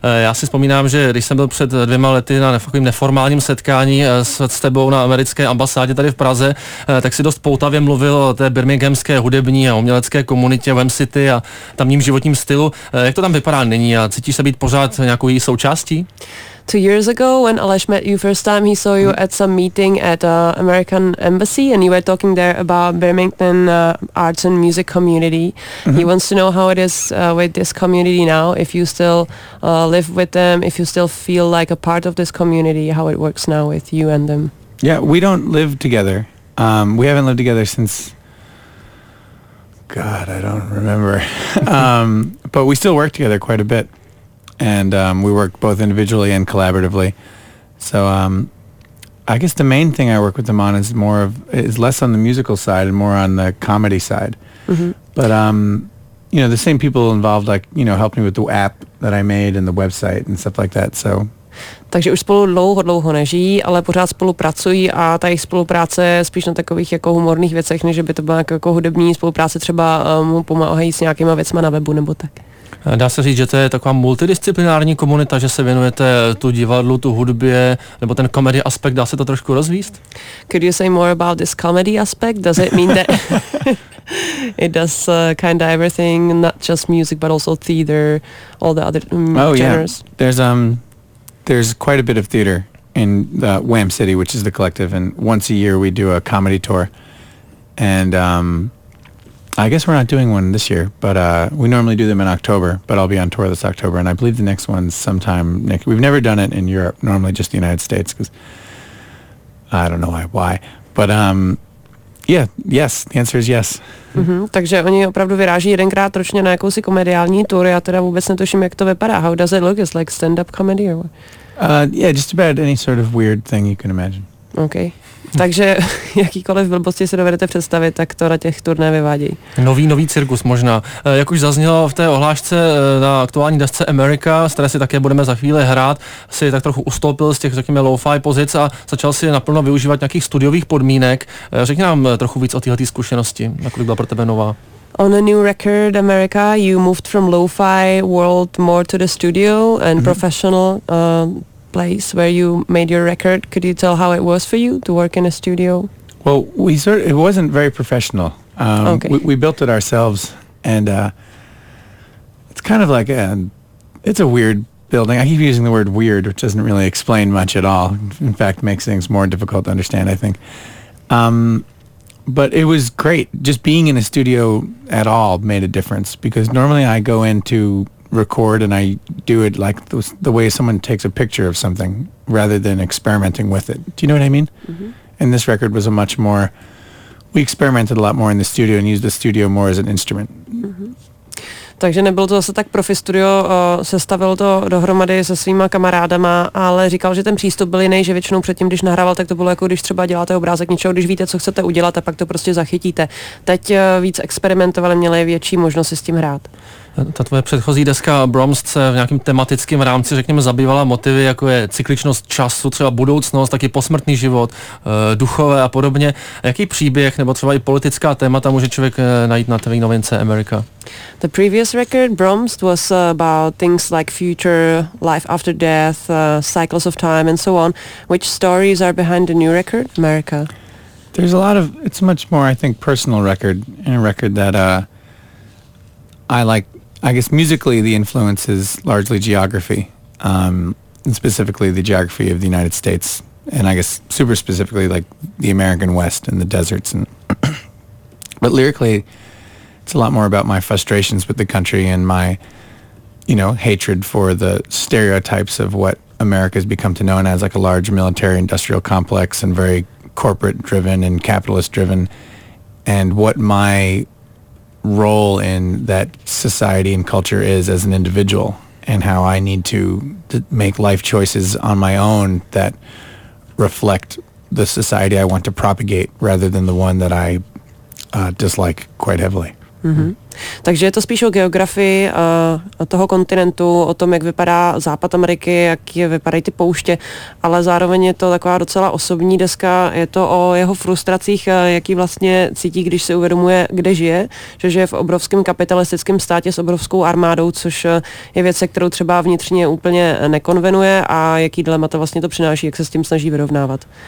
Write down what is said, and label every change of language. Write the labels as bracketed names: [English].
[Czech] Já si vzpomínám, že když jsem byl před 2 lety na takovým neformálním setkání s tebou na americké ambasádě tady v Praze, tak si dost poutavě mluvil o té birminghamské hudební a umělecké komunitě Wem City a tamním životním stylu. Jak to tam vypadá nyní a cítíš se být pořád nějakou součástí? [English] 2 years ago when Aleš met you first time, he saw you at some meeting at American embassy and you were talking there about Birmingham arts and music community. Mm-hmm. He wants to know how it is with this community now, if you still live with them, if you still feel like a part of this community, how it works now with you and them. Yeah, we don't live together. We haven't lived together since, God, I don't remember. but we still work together quite a bit. And we work both individually and collaboratively. So I guess the main thing I work with them on is more of, is less on the musical side and more on the comedy side. Mm-hmm. But, you know, the same people involved, like, you know, helped me with the app that I made and the website and stuff like that, so. [Czech] Takže už spolu dlouho nežijí, ale pořád spolupracují a ta jejich spolupráce spíš na takových jako humorných věcech, než by to byla jako hudební spolupráce, třeba mu pomáhají s nějakýma věcma na webu nebo tak. Dá se říct, že to je taková multidisciplinární komunita, že se věnujete tu divadlu, tu hudbě, nebo ten comedy aspekt, dá se to trošku rozvíst? [English] Could you say more about this comedy aspect? Does it mean that it does kind of everything, not just music, but also theater, all the other genres? Oh yeah, there's quite a bit of theater in the Wham City, which is the collective, and once a year we do a comedy tour, and I guess we're not doing one this year, but we normally do them in October, but I'll be on tour this October, and I believe the next one's sometime, Nick. We've never done it in Europe, normally just the United States, because I don't know why. But yes, the answer is yes. Mm-hmm. [Czech] Takže oni opravdu vyráží jedenkrát ročně na jakousi komediální tour, já teda vůbec netuším, jak to vypadá. [English] How does it look? Is it like stand-up comedy or what? Yeah, just about any sort of weird thing you can imagine. Okay. [Czech] Takže jakýkoliv blbosti si dovedete představit, tak to na těch turné vyvádějí. Nový cirkus možná. Jak už zaznělo v té ohlášce na aktuální desce America, z které si také budeme za chvíli hrát, si tak trochu ustoupil z těch, řekněme, lo-fi pozic a začal si naplno využívat nějakých studiových podmínek. Řekni nám trochu víc o téhleté zkušenosti, nakolik byla pro tebe nová. [English] On a new record, America, you moved from lo-fi world more to the studio and professional place where you made your record. Could you tell how it was for you to work in a studio? Well, we sort of, it wasn't very professional. We built it ourselves, and it's kind of like it's a weird building. I keep using the word weird, which doesn't really explain much at all. In fact, makes things more difficult to understand, I think. But it was great. Just being in a studio at all made a difference, because normally I go into record and I do it like the way someone takes a picture of something rather than experimenting with it. Do you know what I mean? Mm-hmm. And this record was a much more, we experimented a lot more in the studio and used the studio more as an instrument. Mm-hmm. [Czech] Takže nebylo to zase tak profi studio, sestavil to dohromady se svýma kamarádama, ale říkal, že ten přístup byl jiný, že většinou předtím, když nahrával, tak to bylo jako když třeba děláte obrázek něčeho, když víte, co chcete udělat, a pak to prostě zachytíte. Teď víc experimentovali, měli větší možnosti s tím hrát. ta tvoje předchozí deska Bromst se v nějakým tematickém rámci, řekněme, zabývala motivy, jako je cykličnost času, třeba budoucnost, taky posmrtný život, duchové a podobně. Jaký příběh nebo třeba i politická témata může člověk najít na tvé novince America? [English] The previous record, Bromst, was about things like future, life after death, cycles of time and so on. Which stories are behind the new record, America? There's a lot of, it's much more, I think, personal record, and a record that I like, I guess musically the influence is largely geography, and specifically the geography of the United States, and I guess super specifically like the American West and the deserts. And but lyrically, it's a lot more about my frustrations with the country and my, you know, hatred for the stereotypes of what America's become to known as, like a large military industrial complex and very corporate driven and capitalist driven, and what my role in that society and culture is as an individual, and how I need to make life choices on my own that reflect the society I want to propagate rather than the one that I dislike quite heavily. Mm-hmm. [Czech] Takže je to spíš o geografii toho kontinentu, o tom, jak vypadá Západ Ameriky, jak vypadají ty pouště, ale zároveň je to taková docela osobní deska, je to o jeho frustracích, jaký vlastně cítí, když se uvědomuje, kde žije, že žije v obrovském kapitalistickém státě s obrovskou armádou, což je věc, kterou třeba vnitřně úplně nekonvenuje, a jaký dilema to vlastně to přináší, jak se s tím snaží vyrovnávat.